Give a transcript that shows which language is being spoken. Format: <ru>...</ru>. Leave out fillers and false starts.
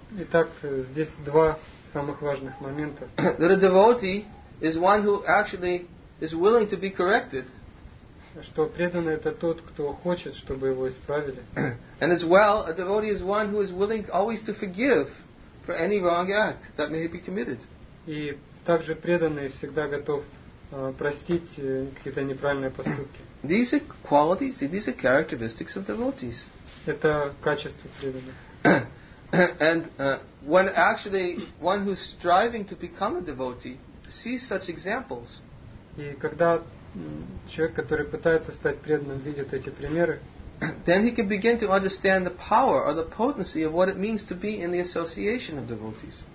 <ru>Итак, здесь два самых важных момента.</ru> <en>That a devotee is one who actually is willing to be corrected.</en> <ru>Что преданный это тот, кто хочет, чтобы его исправили.</ru> <en>And as well, a devotee is one who is willing always to forgive for any wrong act that may be committed.</en> <ru>И также преданный всегда готов простить какие-то неправильные поступки.</ru> <en>These are qualities. These are characteristics of devotees.</en> <ru>Это качество преданных.</ru> <en>And when actually one who's striving to become a devotee sees such examples.</en> <ru>И когда человек, который пытается стать преданным, видит эти примеры,</ru> <en>then he can begin to understand the power or the potency of what it means to be in the association of devotees.</en>